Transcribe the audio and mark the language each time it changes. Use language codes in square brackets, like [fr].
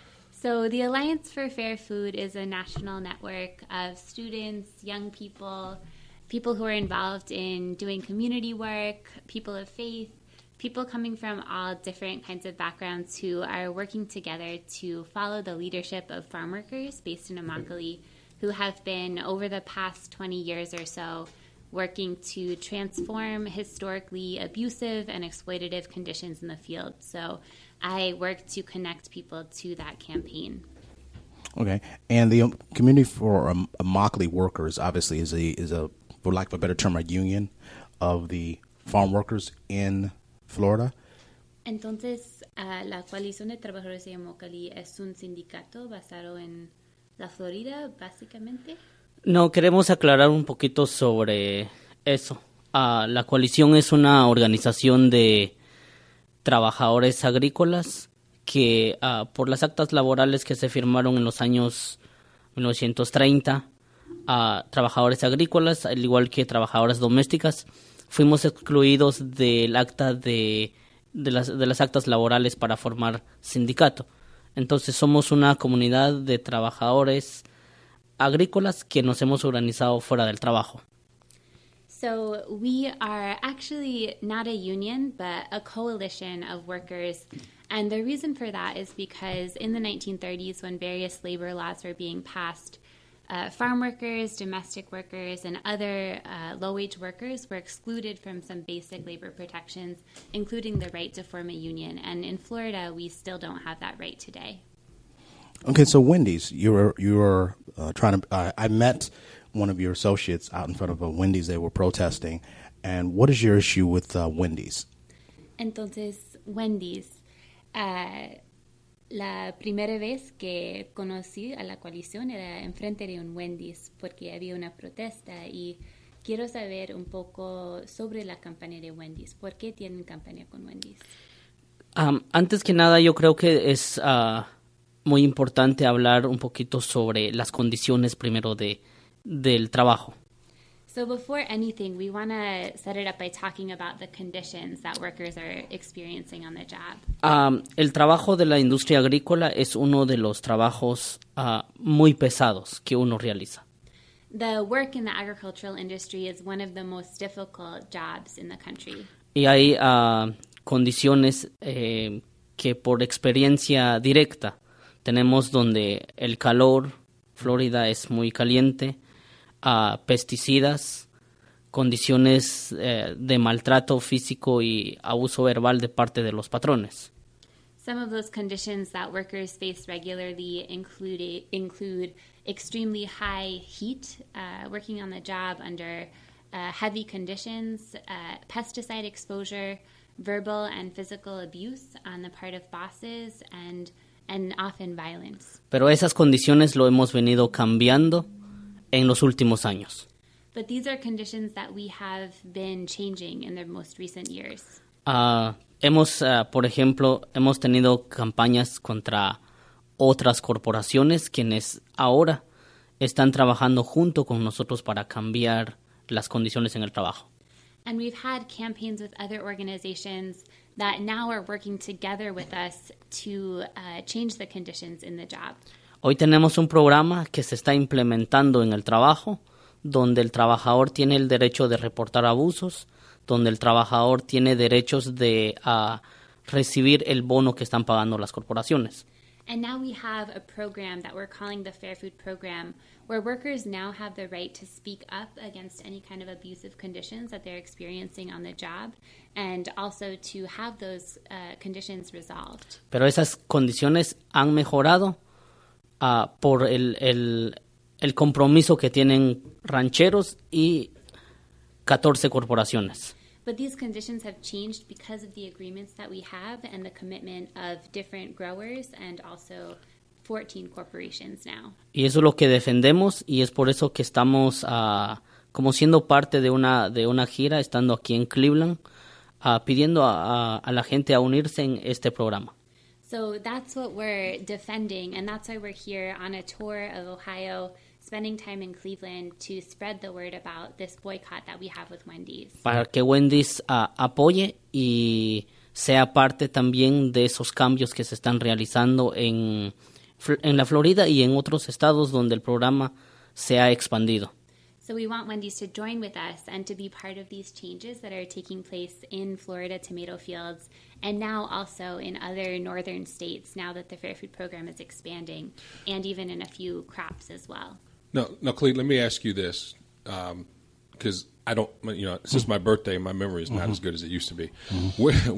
[en] So the Alliance for Fair Food is a national network of students, young people, people who are involved in doing community work, people of faith, people coming from all different kinds of backgrounds who are working together to follow the leadership of farm workers based in Immokalee, who have been, over the past 20 years or so, working to transform historically abusive and exploitative conditions in the field. So I work to connect people to that campaign. Okay. And the community for Immokalee workers, obviously, is a for lack of a better term, a union of the farm workers in Florida? [es] Entonces, la coalición de trabajadores de Immokalee es un sindicato basado en la Florida, básicamente? No, queremos aclarar un poquito sobre eso. La coalición es una organización de trabajadores agrícolas que, por las actas laborales que se firmaron en los años 1930, a trabajadores agrícolas, al igual que trabajadoras domésticas, fuimos excluidos del acta de las actas laborales para formar sindicato. Entonces, somos una comunidad de trabajadores agrícolas que nos hemos organizado fuera del trabajo. [en] So, we are actually not a union, but a coalition of workers. And the reason for that is because in the 1930s, when various labor laws were being passed, farm workers, domestic workers, and other low-wage workers were excluded from some basic labor protections, including the right to form a union. And in Florida, we still don't have that right today. Okay, so Wendy's, I met one of your associates out in front of a Wendy's. They were protesting. And what is your issue with Wendy's? [es] Entonces, Wendy's. La primera vez que conocí a la coalición era enfrente de un Wendy's porque había una protesta y quiero saber un poco sobre la campaña de Wendy's. ¿Por qué tienen campaña con Wendy's? Antes que nada, yo creo que es muy importante hablar un poquito sobre las condiciones primero del trabajo. [en] So before anything, we want to set it up by talking about the conditions that workers are experiencing on the job. [es] El trabajo de la industria agrícola es uno de los trabajos muy pesados que uno realiza. [en] The work in the agricultural industry is one of the most difficult jobs in the country. [es] Y hay condiciones que por experiencia directa tenemos donde el calor, Florida es muy caliente, pesticidas, condiciones de maltrato físico y abuso verbal de parte de los patrones. [en] Some of those conditions that workers face regularly include extremely high heat, working on the job under heavy conditions, pesticide exposure, verbal and physical abuse on the part of bosses, and often violence. [es] Pero esas condiciones lo hemos venido cambiando en los últimos años. [en] But these are conditions that we have been changing in the most recent years. [es] Por ejemplo, hemos tenido campañas contra otras corporaciones quienes ahora están trabajando junto con nosotros para cambiar las condiciones en el trabajo. [en] And we've had campaigns with other organizations that now are working together with us to change the conditions in the job. [es] Hoy tenemos un programa que se está implementando en el trabajo, donde el trabajador tiene el derecho de reportar abusos, donde el trabajador tiene derechos de recibir el bono que están pagando las corporaciones. [en] And now we have a program that we're calling the Fair Food Program, where workers now have the right to speak up against any kind of abusive conditions that they're experiencing on the job, and also to have those conditions resolved. [es] Pero esas condiciones han mejorado por el compromiso que tienen rancheros y 14 corporaciones. [en] But these conditions have changed because of the agreements that we have and the commitment of different growers and also 14 corporations now. [es] Y eso es lo que defendemos y es por eso que estamos como siendo parte de una gira, estando aquí en Cleveland, pidiendo a la gente a unirse en este programa. [en] So that's what we're defending, and that's why we're here on a tour of Ohio, spending time in Cleveland to spread the word about this boycott that we have with Wendy's. [es] Para que Wendy's apoye y sea parte también de esos cambios que se están realizando en la Florida y en otros estados donde el programa se ha expandido. [en] So we want Wendy's to join with us and to be part of these changes that are taking place in Florida tomato fields and now also in other northern states now that the Fair Food Program is expanding and even in a few crops as well. No, Cleet, let me ask you this, because I don't, you know, since my birthday, my memory is not as good as it used to be. Mm-hmm.